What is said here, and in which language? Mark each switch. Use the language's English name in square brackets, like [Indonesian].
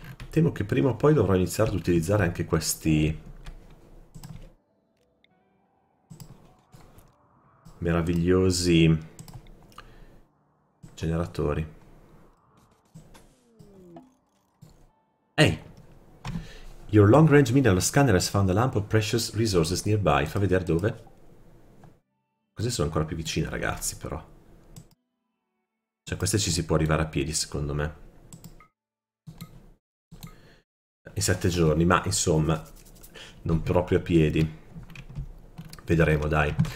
[Italian] Temo che prima o poi dovrò iniziare ad utilizzare anche questi meravigliosi generatori. [English] Your long range mineral scanner has found a lump of precious resources nearby. [Italian] Fa vedere dove? Così sono ancora più vicine, ragazzi, però. Cioè, queste ci si può arrivare a piedi, secondo me. In 7 giorni, ma insomma, non proprio a piedi. Vedremo, dai.